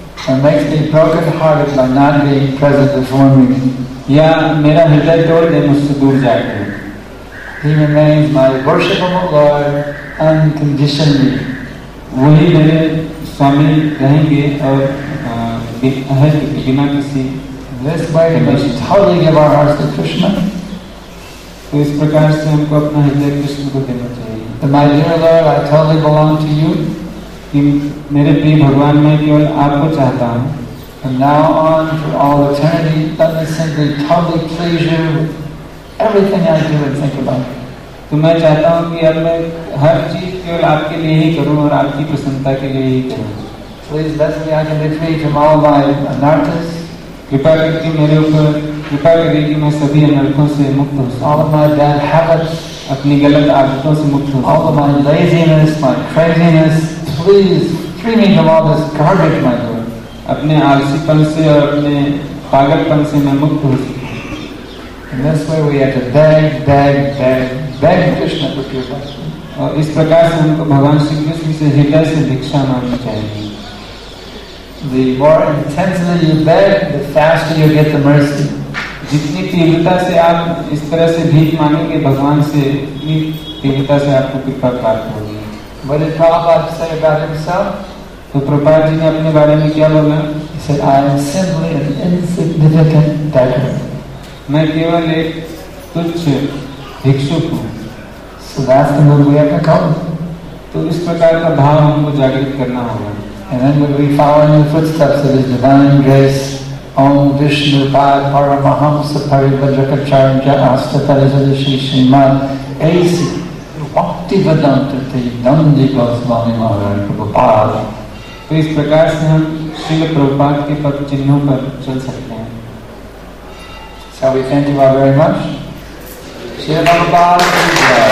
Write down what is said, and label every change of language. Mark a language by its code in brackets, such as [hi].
[en] And makes me broken hearted by not being present before me. [hi] या मेरा हृदय तोड़ दे मुझसे दूर जाकर. [en] He remains my worshipable Lord unconditionally. [hi] वही मेरे स्वामी रहेंगे और बिना किसी. [en] This way we must totally give our hearts to Krishna. [hi] तो इस प्रकार से हमको अपना हृदय कृष्ण को देना चाहिए. [en] My dear Lord, I totally belong to you. [hi] कि मेरे प्रिय भगवान मैं केवल आपको चाहता हूँ. [en] From now on, for all eternity, let me simply totally please you. Everything I do and think about. [hi] तो मैं चाहता हूँ कि अब मैं हर चीज केवल आपके लिए ही करूँ और आपकी प्रसन्नता के लिए ही करूँ. [en] Please bless me and lead me to all my anarthas. [hi] कृपा करके मेरे ऊपर कृपा करें कि मैं सभी अनर्थों से मुक्त हूँ. [en] All of my bad habits. [hi] अपनी गलत आदतों से मुक्त हूँ. [en] All of my laziness, my craziness. Please free me from all this garbage, my Lord. [hi] अपने आलसीपन से और अपने पागलपन से मैं मुक्त हूँ. [en] In this way, we have to beg Krishna for forgiveness. [hi] और इस प्रकार से हमको भगवान श्री कृष्ण से हृदय से भिक्षा मांगनी चाहिए. [en] The more intensely you beg, the faster you get the mercy. [hi] जितनी तीव्रता से आप इस तरह से भीख मांगेंगे भगवान से उतनी तीव्रता से आपको कृपा प्राप्त होगी. [en] What did Prabhupada say about himself? [hi] तो प्रभुपाद जी ने अपने बारे में क्या बोला? [en] He said, I am simply an insignificant debtor. [hi] मैं केवल एक तुच्छ भिक्षुक हूँ. [en] So that's the mood we have to come. [hi] तो इस प्रकार का भाव हमको जागृत करना होगा. [en] And then when we follow in the footsteps of His divine grace, Om Vishnu Pad Paramahamsa Parivajakacharya Astatarajada Shri Srimad Aisi Bhaktivedanta Te Nandi Goswami Maharaj Prabhupada. [hi] तो इस प्रकार से हम श्रील प्रभुपाद के पद चिन्हों पर चल सकते हैं. [en] So we thank you all very much. Shri Prabhupada.